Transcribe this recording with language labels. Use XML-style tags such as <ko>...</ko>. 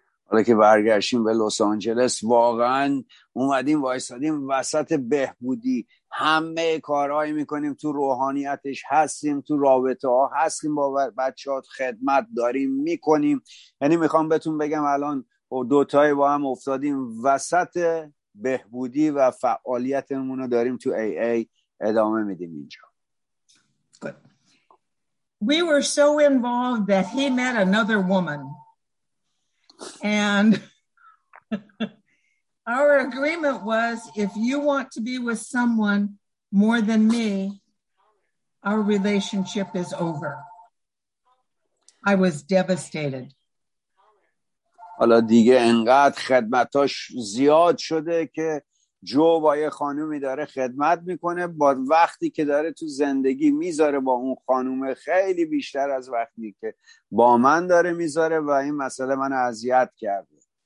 <fa>حالا که برگشتیم به لس آنجلس، واقعا اومدیم وایسادیم وسط بهبودی، همه کارهایی میکنیم، تو روحانیتش هستیم، تو رابطه ها هستیم، با بچه ها خدمت داریم میکنیم، یعنی میخوام بهتون بگم الان دوتای با هم افتادیم وسط بهبودی و فعالیتمونو داریم تو AA ادامه میدیم اینجا.</fa> <en>We were so involved that he met another woman. And our agreement was, if you want to be with someone more than me, our relationship is over. I was devastated.</en> <fa>حالا دیگه انقدر خدمتاش زیاد شده که جو با یه خانومی داره خدمت میکنه، با وقتی که داره تو زندگی میذاره با اون خانوم خیلی بیشتر از وقتی که با من داره میذاره و این مسئله من اذیت کرده.</fa>